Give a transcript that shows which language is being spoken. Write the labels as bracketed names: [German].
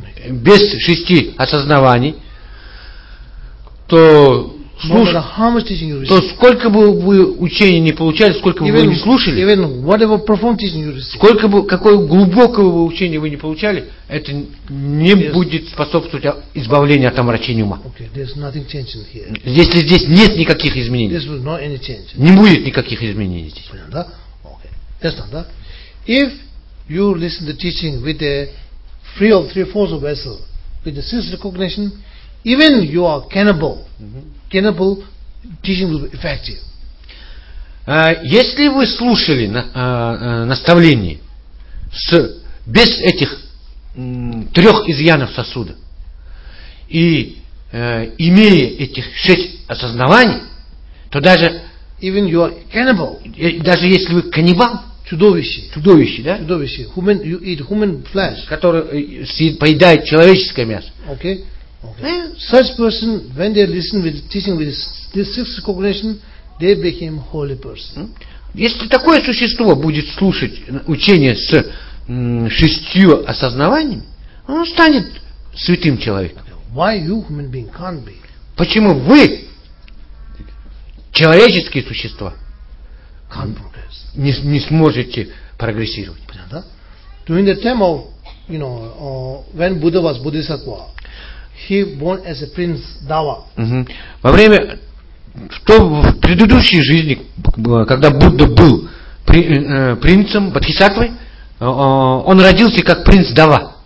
[Russian] без шести осознаваний, то сколько бы вы учения не получали, сколько бы вы не слушали, сколько бы какое глубокое бы учение вы не получали, это не будет способствовать избавлению от омрачения ума. Здесь нет никаких изменений. Не будет никаких изменений здесь. [English] That's not that. If you listen to teaching with a free of three-fourths of vessel, with the sense recognition, even you are cannibal, mm-hmm. cannibal, teaching will be effective. [Russian] Если вы слушали наставление без этих трех изъянов сосуда и имея этих шесть осознаваний, то даже [English] even you are cannibal, [Russian] даже если вы каннибал, чудовище, да? [English] Чудовище. Human, you eat human flesh. [Russian] Который поедает человеческое мясо. [English] Okay. Okay. Such person, when they listen with teaching with this sixth recognition, they became holy person. [Russian] Если такое существо будет слушать учение с шестью осознаваниями, оно станет святым человеком. [English] Why you human being can't be? [Russian] Почему вы человеческие существа? [English] Can't progress. [Russian] Не сможете прогрессировать. Понятно? [English] During the time of, you know, when Buddha was Bodhisattva, he born as a prince Dava. Mm-hmm. [Russian] Во время в предыдущей жизни, когда Будда был принцем Бодхисаттвой, он родился как принц Дава.